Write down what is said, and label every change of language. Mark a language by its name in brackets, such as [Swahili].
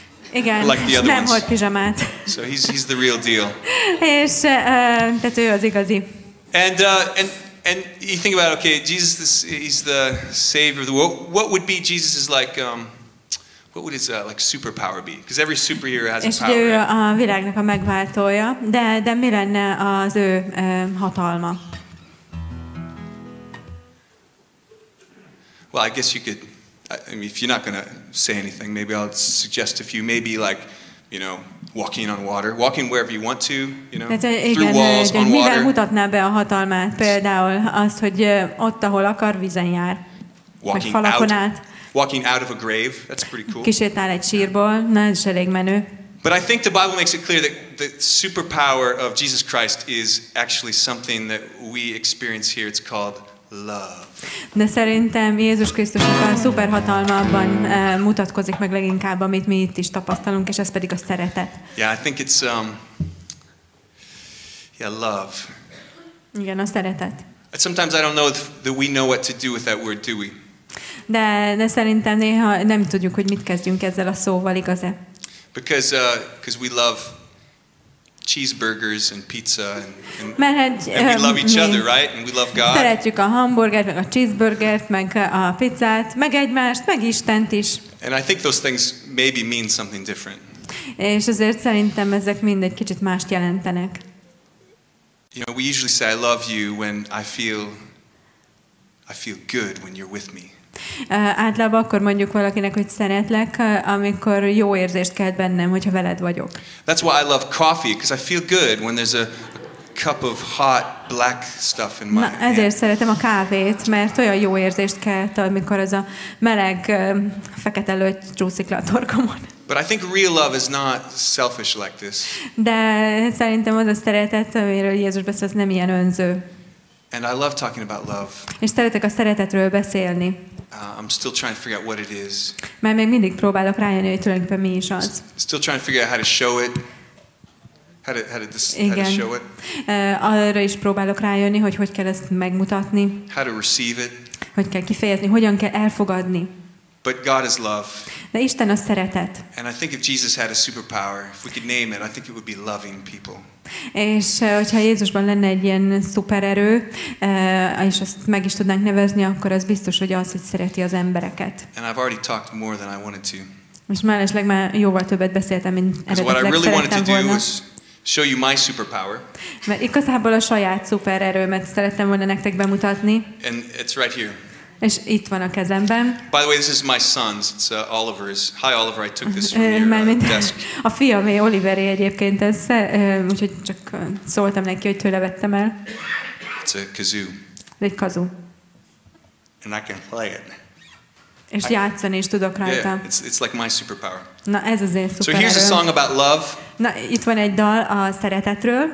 [Hungarian] Igen, [English] like the other [Hungarian] nem [English] ones. [Hungarian] Hord pizsamát. [English] So he's the real deal. [Hungarian] És tehát ő az igazi. [English] And you think about, okay, Jesus he's the savior of the world. What would be Jesus's like what would his like superpower be? Because every superhero has a [Hungarian] és [English] power. [Hungarian] És ő a világnak a megváltója, de mi lenne az ő hatalma? [English] Well, I guess you could I mean, if you're not going to say anything, maybe I'll suggest a few, maybe like, you know, walking on water, walking wherever you want to, you know, through walls, on water. [Hungarian] Mutatnál be a hatalmát, például azt, hogy ott, ahol akar, vízen jár, vagy falakon át. [English] Walking out of a grave, that's pretty cool. [Hungarian] Kisétál egy sírból, na, ez is elég menő. [English] But I think the Bible makes it clear that the superpower of Jesus Christ is actually something that we experience here. It's called love. [Hungarian] De szerintem Jézus Krisztusnak a szuperhatalmában mutatkozik meg leginkább, amit mi itt is tapasztalunk, és ez pedig a szeretet. [English] Yeah, I think it's love. [Hungarian] Igen, a szeretet. [English] But sometimes I don't know that we know what to do with that word, do we? [Hungarian] De szerintem néha nem tudjuk, hogy mit kezdjünk ezzel a szóval, igaz-e? [English] Because we love cheeseburgers and pizza [Hungarian] mert, [English] and we love each other, right? And we love God. [Hungarian] Szeretjük a hamburgert, meg a cheeseburgert, meg a pizzát, meg egymást, meg Istent is. [English] And I think those things maybe mean something different. [Hungarian] És azért szerintem ezek mind egy kicsit mást jelentenek. [English] You know, we usually say I love you when I feel good when you're with me. [Hungarian] Általában akkor mondjuk valakinek, hogy szeretlek, amikor jó érzést kelt bennem, hogyha veled vagyok. [English] That's why I love coffee, because I feel good when there's a cup of hot black stuff in my hand. [Hungarian] Ezért szeretem a kávét, mert olyan jó érzést kelt, amikor az a meleg fekete lötty csúszik le a torkomon. [English] But I think real love is not selfish like this. [Hungarian] De szerintem az a szeretet, amiről Jézus beszél, az nem ilyen önző. [English] And I love talking about love. [Hungarian] És szeretek a szeretetről beszélni. [English] I'm still trying to figure out what it is. [Hungarian] Mert még mindig próbálok rájönni, hogy tulajdonképpen mi is az. [English] Still trying to figure out how to show it. How to show it. [Hungarian] Arra is próbálok rájönni, hogy kell ezt megmutatni. [English] How to receive it. [Hungarian] Hogy kell kifejezni, hogyan kell elfogadni. [English] But God is love. [Hungarian] De Isten a szeretet. [English] And I think if Jesus had a superpower, if we could name it, I think it would be loving people. [Hungarian] És hogyha Jézusban lenne egy ilyen szupererő, és azt meg is tudnánk nevezni, akkor az biztos, hogy az, hogy szereti az embereket. [English] And I've already talked more than I wanted to. [Hungarian] És mellesleg már jóval többet beszéltem, mint eredetileg szerettem volna. [English] Show you my superpower. [Hungarian] Mert igazából a saját szupererőmet szerettem volna nektek bemutatni. [English] And it's right here. [Hungarian] És itt van a kezemben. [English] By the way, this is my son's. It's Oliver's. Hi, Oliver. I took this from your desk. [Hungarian] A fiamé, Oliveré egyébként ez, úgyhogy csak szóltam neki, hogy tőle vettem el. [English] It's a kazoo. [Hungarian] Egy kazoo. [English] And I can play it. [Hungarian] És játszani is tudok rajta. [English] Yeah, it's like my superpower. [Hungarian] Na, ez az én szuper. [English] So here's a song about love. [Hungarian] Na, itt van egy dal a szeretetről.